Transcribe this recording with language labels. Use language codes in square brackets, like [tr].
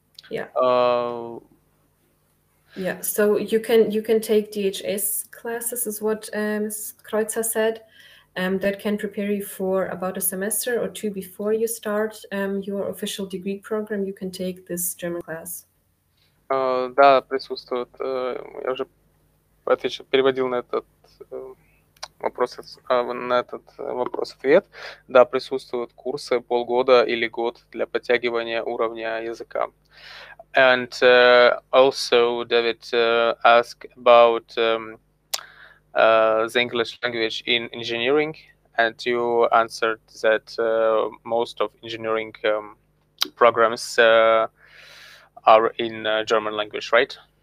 [en] Yeah. So you can take DHS classes, is what Ms. Kreutzer said. That can prepare you for about a semester or two before you start your official degree program. You can take this German class. [ru] Да, присутствует. Я уже переводил на этот вопрос ответ. Да, присутствуют курсы полгода или год для подтягивания уровня языка. [en] And also David asked about the English language in engineering, and you answered that most of engineering programs are in German language, right?